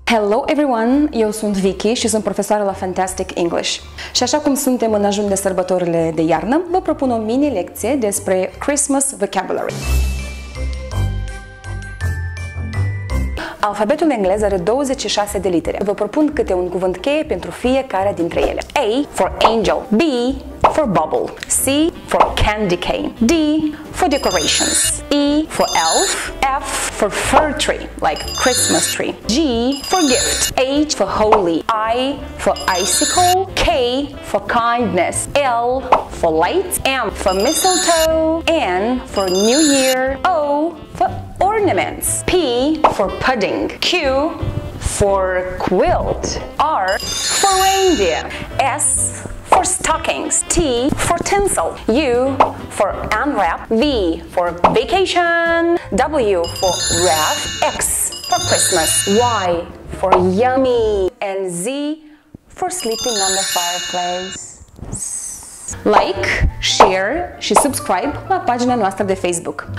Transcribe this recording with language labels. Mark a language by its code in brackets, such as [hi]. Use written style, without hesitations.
[en] Hello everyone, [ro] eu sunt Vicky și sunt profesoară la Fantastic English. Și așa cum suntem în ajun de sărbătorile de iarnă, vă propun o mini-lecție despre Christmas vocabulary. Alfabetul englez are 26 de litere. Vă propun câte un cuvânt cheie pentru fiecare dintre ele. [en] A for angel, B for bubble, C for candy cane, D for decorations, E for elf, F for fir tree, like Christmas tree, G for gift, H for holy, I for icicle, K for kindness, L for light, M for mistletoe, N for new year, O for ornaments, P for pudding, Q for quilt, R for reindeer, S for stockings, T for tinsel, U for unwrap, V for vacation, W for wrap, X for Christmas, Y for yummy, and Z for sleeping on the fireplace. [ro] Like, share și subscribe la pagina noastră de Facebook.